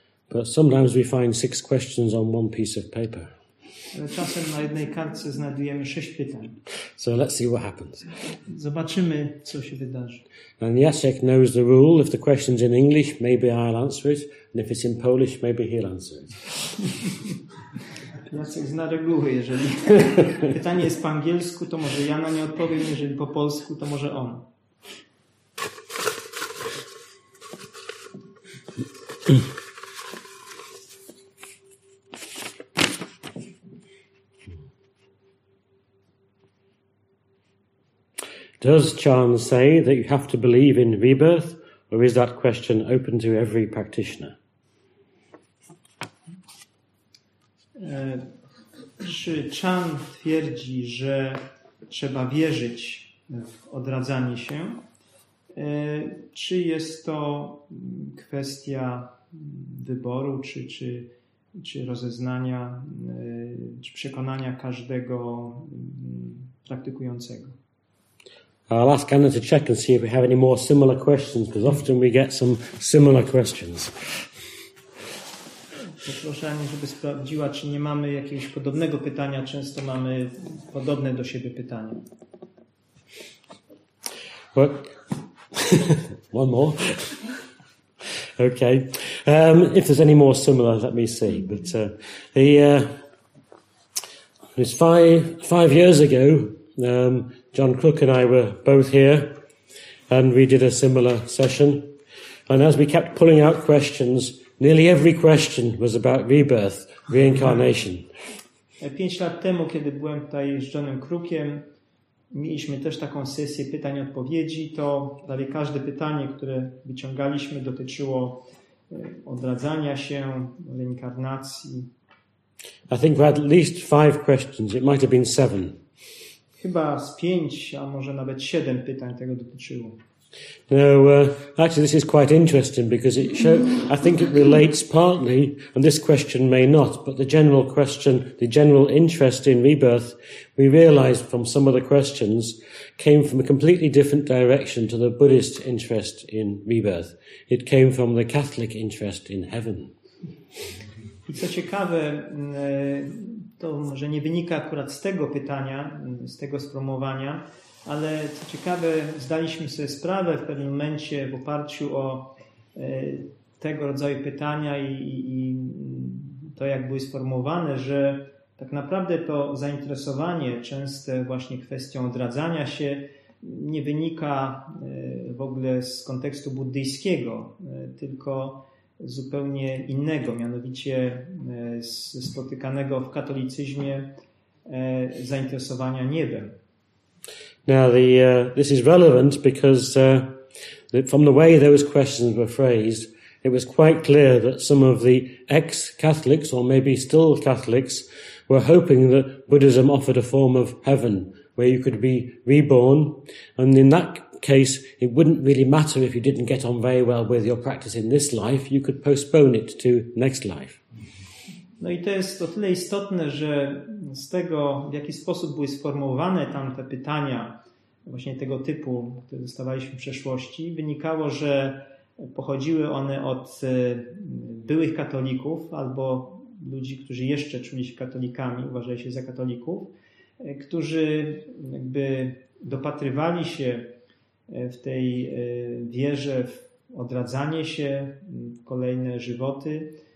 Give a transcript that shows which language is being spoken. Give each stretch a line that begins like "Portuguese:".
English: But sometimes we find six questions on one piece of paper.
Polish: Ale czasem na jednej kartce znajdujemy sześć pytań.
English: So let's see what happens.
Polish: Zobaczymy, co się wydarzy.
English: And Jacek knows the rule. If the question's in English, maybe I'll answer it. And if it's in Polish, maybe he'll answer it.
Polish: Jacek zna reguły. Jeżeli pytanie jest po angielsku, to może ja na nie odpowiem. Jeżeli po polsku, to może on.
English: Does Chan say that you have to believe in rebirth, or is that question open to every practitioner?
Polish: Czy Chan twierdzi, że trzeba wierzyć w odradzanie się? Czy jest to kwestia wyboru, czy rozeznania, czy przekonania każdego praktykującego?
English: I'll ask Anna to check and see if we have any more similar questions, because often we get some similar questions.
Polish: Poproszę Anię, żeby sprawdziła, czy nie mamy jakiegoś podobnego pytania. Często mamy podobne do siebie pytania.
English: What? One more. Okay. If there's any more similar, let me see. But it was five years ago. John Crook and I were both here, and we did a similar session. And as we kept pulling out questions, nearly every question was about rebirth, reincarnation.
Polish: 5 lat temu, kiedy byłem tutaj z Johnem Crookiem, mieliśmy też taką sesję pytań-odpowiedzi. To prawie każde pytanie, które wyciągaliśmy, dotyczyło odradzania się, reinkarnacji.
English: I think we had at least 5 questions. It might have been 7.
Polish: Chyba z 5, a może nawet 7 pytań tego dotyczyło.
English: Now, actually, this is quite interesting because I think it relates partly, and this question may not, but the general question, the general interest in rebirth, we realized from some of the questions, came from a completely different direction to the Buddhist interest in rebirth. It came from the Catholic interest in heaven.
Polish: I co ciekawe, to może nie wynika akurat z tego pytania, z tego sformułowania, ale co ciekawe, zdaliśmy sobie sprawę w pewnym momencie w oparciu o tego rodzaju pytania i to, jak były sformułowane, że tak naprawdę to zainteresowanie częste właśnie kwestią odradzania się nie wynika w ogóle z kontekstu buddyjskiego, tylko zupełnie innego, mianowicie spotykanego w katolicyzmie zainteresowania niebem.
English: Now this is relevant because from the way those questions were phrased, it was quite clear that some of the ex-Catholics or maybe still Catholics were hoping that Buddhism offered a form of heaven where you could be reborn, and in that case, it wouldn't really matter if you didn't get on very well with your practice in this life, you could postpone it to next life.
Polish: No i to jest o tyle istotne, że z tego, w jaki sposób były sformułowane tamte pytania, właśnie tego typu, które dostawaliśmy w przeszłości, wynikało, że pochodziły one od byłych katolików albo ludzi, którzy jeszcze czuli się katolikami, uważali się za katolików, którzy jakby dopatrywali się w tej wierze w odradzanie się, w kolejne żywoty,